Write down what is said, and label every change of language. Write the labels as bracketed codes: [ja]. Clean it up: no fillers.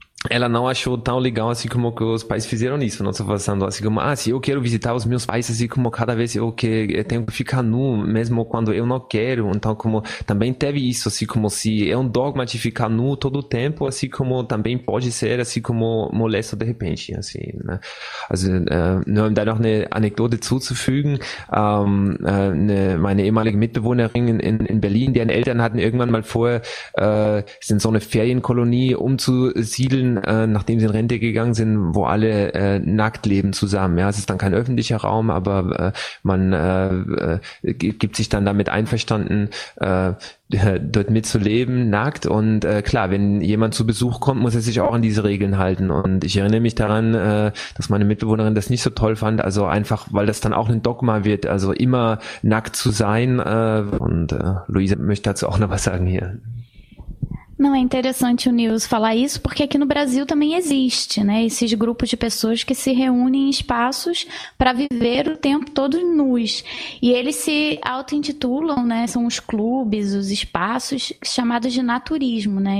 [pt] ela não achou tão legal assim como que os pais fizeram isso, não só pensando assim como, se eu quero visitar os meus pais, assim como cada vez eu tenho que ficar nu, mesmo quando eu não quero, então como também teve isso, assim como se é um dogma de ficar nu todo o tempo, assim como também pode ser assim como molesto de repente, assim, né? [de] Also, nur um da noch eine Anekdote zuzufügen, meine ehemalige Mitbewohnerin in Berlin, deren Eltern hatten irgendwann mal vor, sind so eine Ferienkolonie umzusiedeln, nachdem sie in Rente gegangen sind, wo alle nackt leben zusammen. Ja, es ist dann kein öffentlicher Raum, aber man gibt sich dann damit einverstanden, dort mitzuleben, nackt. Und klar, wenn jemand zu Besuch kommt, muss er sich auch an diese Regeln halten. Und ich erinnere mich daran, dass meine Mitbewohnerin das nicht so toll fand, also einfach, weil das dann auch ein Dogma wird, also immer nackt zu sein. Luisa möchte dazu auch noch was sagen hier. [pt] Não, é interessante o Nils falar isso, porque aqui no Brasil também existe, né? Esses grupos de pessoas que se reúnem em espaços para viver o tempo todo nus. E eles se auto-intitulam, né? São os clubes, os espaços chamados de naturismo, né?